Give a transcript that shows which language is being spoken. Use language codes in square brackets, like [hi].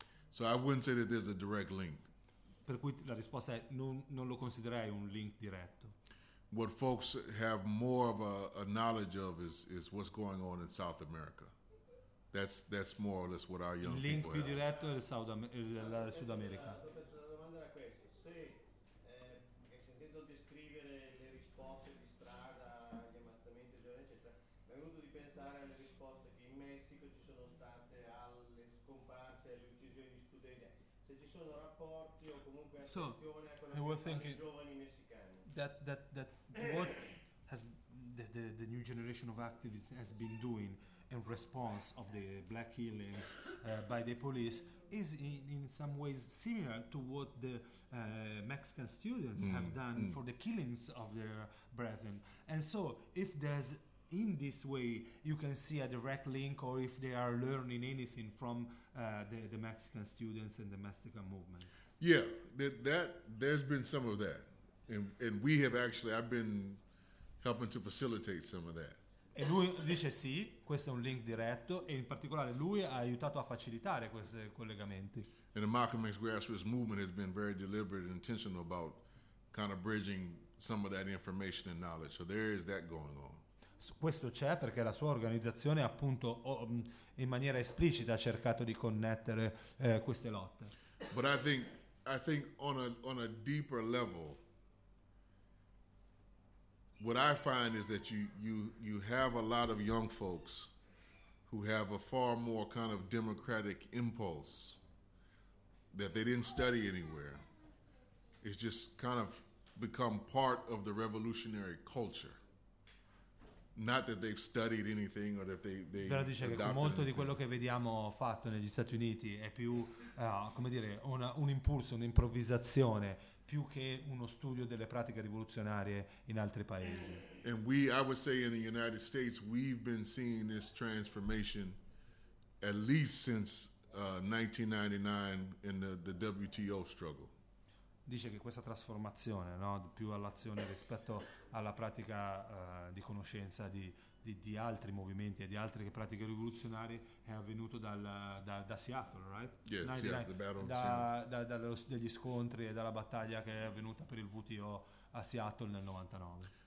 [en] So I wouldn't say that there's a direct link. [it] Per cui la risposta è non lo considererei un link diretto. [en] What folks have more of a knowledge of is what's going on in South America. That's more or less what our young link people [it] have. Link più diretto è il Sud America. La domanda era questa. Se, sentendo descrivere le risposte di strada, gli ammattamenti, eccetera, mi è venuto di pensare alle risposte che in Messico ci sono state alle scomparse, alle uccisioni di studenti. Se ci sono rapporti o comunque attenzione a quello che fanno i giovani messicani. [en] That what has the new generation of activists has been doing in response of the black killings by the police is in some ways similar to what the Mexican students have done for the killings of their brethren. And so if there's in this way you can see a direct link or if they are learning anything from the Mexican students and the Mexican movement. Yeah, that there's been some of that. And we have actually, I've been helping to facilitate some of that. [it] E lui dice sì, questo è un link diretto e in particolare lui ha aiutato a facilitare questi collegamenti. [en] And the Malcolm X grassroots movement has been very deliberate and intentional about kind of bridging some of that information and knowledge. So there is that going on. [it] Questo c'è perché la sua organizzazione appunto in maniera esplicita ha cercato di connettere queste lotte. [en] But I think on a deeper level, what I find is that you have a lot of young folks who have a far more kind of democratic impulse that they didn't study anywhere. It's just kind of become part of the revolutionary culture. Not that they've studied anything or that they [it] però dice che molto di quello che vediamo fatto negli Stati Uniti è più come dire un impulso, un'improvvisazione più che uno studio delle pratiche rivoluzionarie in altri paesi. [en] And I would say in the United States we've been seeing this transformation at least since 1999 in the WTO struggle. [it] Dice che questa trasformazione, no, più all'azione rispetto alla pratica di conoscenza di altri movimenti e di altre pratiche rivoluzionarie è avvenuto da Seattle, right? [en] Yeah, Seattle, the battle [it] degli scontri e dalla battaglia che è avvenuta per il WTO a Seattle nel 99.